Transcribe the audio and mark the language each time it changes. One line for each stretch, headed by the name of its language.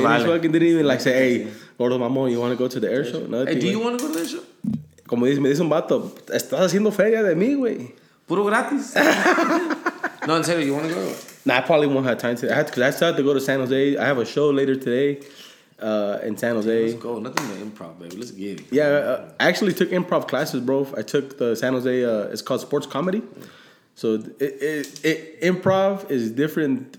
English: like, fucking didn't even like say, hey, Gordo Mamón, you want to go to the air show? Nothing, hey, do like, you want to go to the air show?
Spanish: Como dice, me dice un vato, estás haciendo feria de mí, güey. Puro gratis. No, en serio, you want
English: to go? Nah, I probably won't have time today. Because I still have to go to San Jose. I have a show later today. In San Jose. Let's go. Nothing but improv, baby. Let's get it. Yeah, I actually took improv classes, bro. I took the San Jose, it's called sports comedy. So, improv is different.